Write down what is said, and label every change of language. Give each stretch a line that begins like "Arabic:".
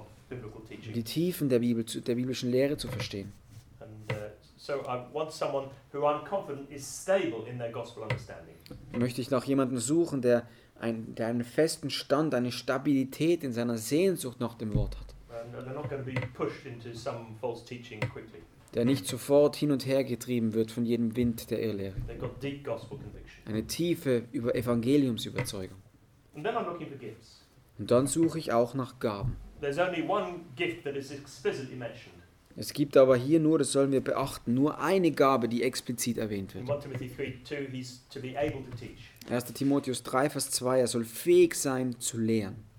German: Die Tiefen der biblischen Lehre zu verstehen.
English: So I want someone who I'm confident is stable in their gospel understanding.
German: Möchte ich nach jemanden suchen, der einen festen Stand, eine Stabilität in seiner Sehnsucht nach dem Wort hat.
English: They're not going to be pushed into some false teaching quickly.
German: Der nicht sofort hin und her getrieben wird von jedem Wind der Irrlehre.
English: They've got deep gospel conviction.
German: Eine tiefe Evangeliumsüberzeugung.
English: And then I'm looking for gifts.
German: Und dann suche ich auch nach Gaben.
English: There's only one gift that is explicitly mentioned.
German: Es gibt aber hier nur, das sollen wir beachten, nur eine Gabe, die explizit erwähnt wird. 1. Timotheus 3, Vers 2, er soll fähig sein zu lehren.